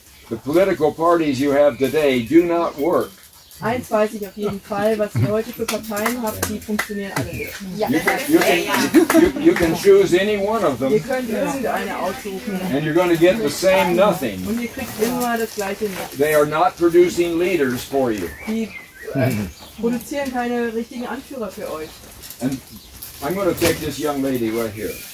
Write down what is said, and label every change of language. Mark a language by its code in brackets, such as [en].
[en] The political parties you have today do not work. [de] Eins weiß ich auf jeden Fall, was ihr heute für Parteien habt, die funktionieren alle nicht. [en] You can choose any one of them. [de] Ihr könnt irgendeine aussuchen. [en] And you're going to get the same nothing. [de] Und ihr kriegt immer das gleiche nicht. [en] They are not producing leaders for you. [de] Die produzieren keine richtigen Anführer für euch. [en] And I'm going to take this young lady right here.